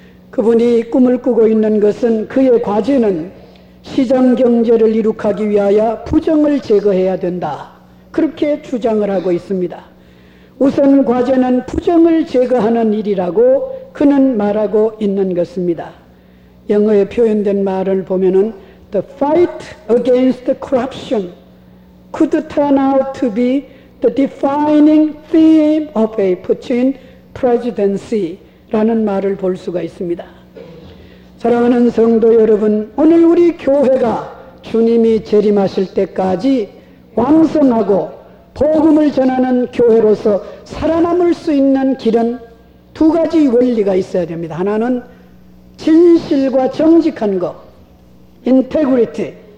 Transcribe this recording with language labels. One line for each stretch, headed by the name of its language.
Korean: 그분이 꿈을 꾸고 있는 것은 그의 과제는 시장 경제를 이룩하기 위하여 부정을 제거해야 된다. 그렇게 주장을 하고 있습니다. 우선 과제는 부정을 제거하는 일이라고 그는 말하고 있는 것입니다. 영어에 표현된 말을 보면은
English: The fight against the corruption could turn out to be the defining theme of a Putin presidency
Korean: 라는 말을 볼 수가 있습니다. 사랑하는 성도 여러분, 오늘 우리 교회가 주님이 재림하실 때까지 왕성하고 복음을 전하는 교회로서 살아남을 수 있는 길은 두 가지 원리가 있어야 됩니다. 하나는 진실과 정직한 것, integrity.